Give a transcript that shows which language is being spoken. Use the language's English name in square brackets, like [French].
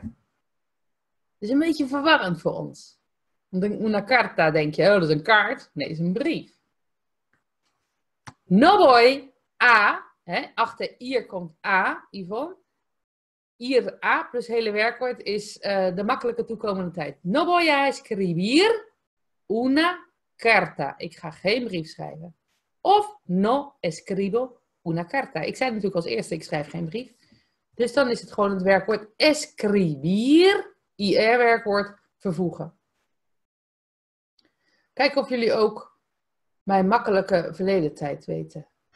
[Dutch] Dat is een beetje verwarrend voor ons. [Spanish] Una carta, [Dutch] denk je, oh, dat is een kaart. Nee, dat is een brief. [Spanish] No voy a, [Dutch] hè, achter ier komt a, Yvonne. Ier a plus hele werkwoord is de makkelijke toekomende tijd. [Spanish] No voy a escribir una carta. [Dutch] Ik ga geen brief schrijven. Of [Spanish] no escribo una carta. [Dutch] Ik zei natuurlijk als eerste, ik schrijf geen brief. Dus dan is het gewoon het werkwoord escribir, ir werkwoord, vervoegen. Kijk of jullie ook mijn makkelijke verleden tijd weten.